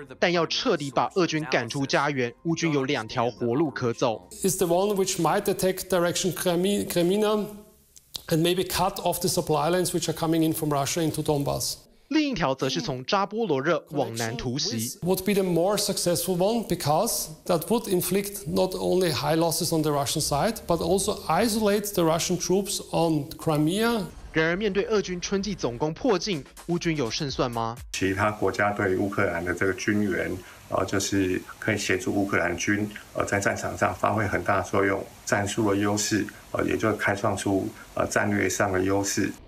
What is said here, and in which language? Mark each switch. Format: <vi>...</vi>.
<zh>但要彻底把俄军赶出家园，乌军有两条活路可走。</zh> <en>Is the one which might attack direction Kremina? And maybe cut off the supply lines which are coming in from Russia into Donbass.</en> <zh>另一条则是从扎波罗热往南突袭。</zh> <en>Would be the more successful one because that would inflict not only high losses on the Russian side, but also isolate the Russian troops on Crimea.</en> <zh>然而，面对俄军春季总攻破境，乌军有胜算吗？其他国家对乌克兰的这个军援，就是可以协助乌克兰军，在战场上发挥很大作用，战术的优势。也就开创出战略上的优势。</zh>